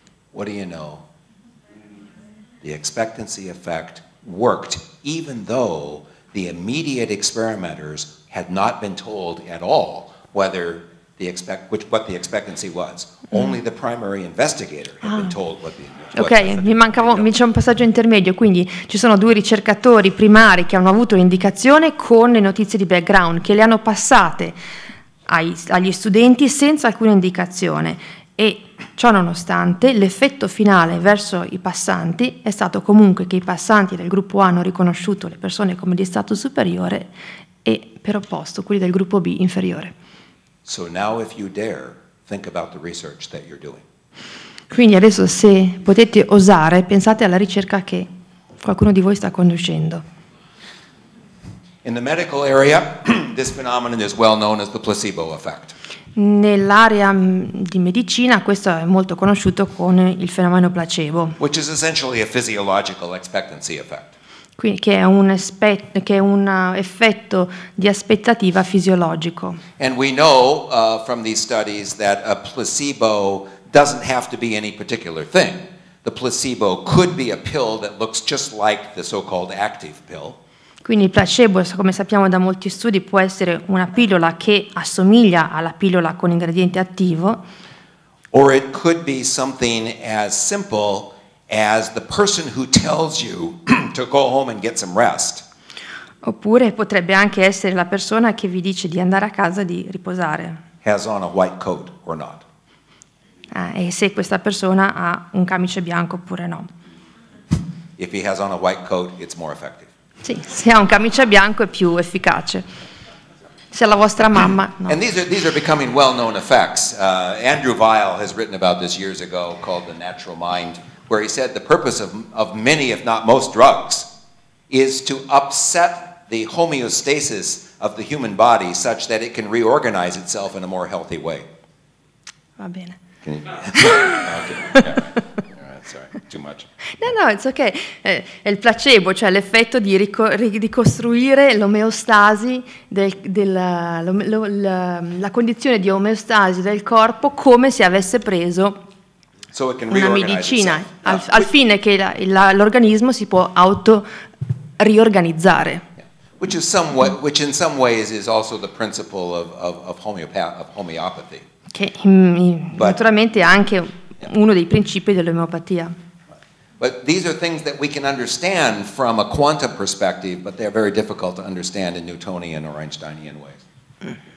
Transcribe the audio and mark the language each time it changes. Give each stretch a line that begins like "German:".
English: What do you know? The expectancy effect worked even though the immediate experimenters had not been told at all what the expectancy was. Only the primary investigator had been told what the expectancy was.
Italian: Ok, c'è un passaggio intermedio, quindi ci sono due ricercatori primari che hanno avuto l'indicazione con le notizie di background, che le hanno passate agli studenti senza alcuna indicazione. E ciò nonostante, l'effetto finale verso i passanti è stato comunque che i passanti del gruppo A hanno riconosciuto le persone come di stato superiore e per opposto quelli del gruppo B inferiore.
English: So now if you dare, think about the research that you're doing.
Italian: Quindi adesso se potete osare, pensate alla ricerca che qualcuno di voi sta conducendo.
English: In the medical area, this phenomenon is well known as the placebo effect.
Italian: Nell'area di medicina questo è molto conosciuto con il fenomeno placebo.
English: Which is essentially a physiological expectancy effect.
Italian: Quindi che è un effetto di aspettativa fisiologico.
English: And we know from these studies that a placebo doesn't have to be any particular thing. The placebo could be a pill that looks just like the so-called active pill.
Italian: Quindi il placebo, come sappiamo da molti studi, può essere una pillola che assomiglia alla pillola con ingrediente attivo.
English: Or it could be something as simple as the person who tells you to go home and get some rest.
Italian: Oppure potrebbe anche essere la persona che vi dice di andare a casa di riposare.
English: Has on a white coat or not.
Italian: E se questa persona ha un camice bianco oppure no.
English: If he has on a white coat, it's more effective.
Italian: Sì, se ha un camice bianco è più efficace. Se ha la vostra mamma, no.
English: And these are becoming well-known effects. Andrew Weil has written about this years ago, called The Natural Mind, where he said the purpose of many, if not most, drugs is to upset the homeostasis of the human body such that it can reorganize itself in a more healthy way.
Italian: Va bene.
English: Okay. Yeah. Sorry, too much. No, it's okay.
Italian: È il placebo, cioè l'effetto di ricostruire l'omeostasi la condizione di omeostasi del corpo come se avesse preso una medicina, al fine che l'organismo si può auto riorganizzare.
English: Yeah. Which is somewhat, which in some ways is also the principle of homeopathy.
Italian: Che naturalmente anche uno dei principi dell'omeopatia.
English: But these are things that we can understand from a quantum perspective, but they are very difficult to understand in Newtonian or Einsteinian ways.